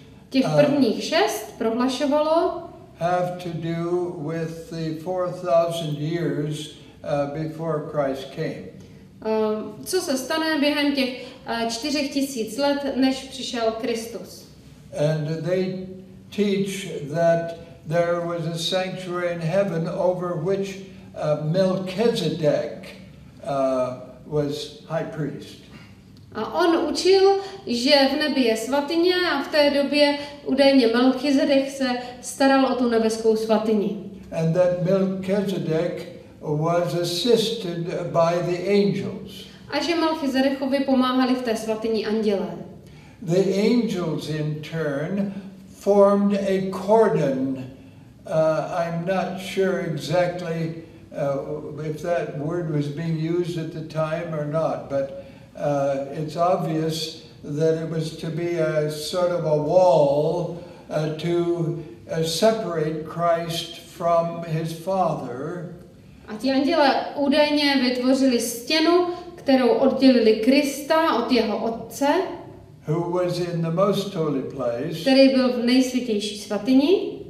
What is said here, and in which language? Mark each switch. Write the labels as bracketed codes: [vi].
[cs] Těch prvních šest prohlašovalo. [en] Have to do with the 4,000 years before Christ came. [cs] Co se stane během těch 4,000 let, než přišel Kristus? [en] And they teach that there was a sanctuary in heaven over which Melchizedek was high priest. [cs] A on učil, že v nebi je svatyně a v té době údajně Melchizedek se staral o tu nebeskou svatyni. [en] And that Melchizedek was assisted by the angels. [cs] A že Melchizedekovi pomáhali v té svatyni andělé. [en] The angels in turn formed a cordon. I'm not sure exactly if that word was being used at the time or not, but it's obvious that it was to be a sort of a wall to separate Christ from his Father. [cs] A ti anděle údajně vytvořili stěnu, kterou oddělili Krista od jeho Otce. [en] Who was in the most holy place? [cs] Který byl v nejsvětější svatyni.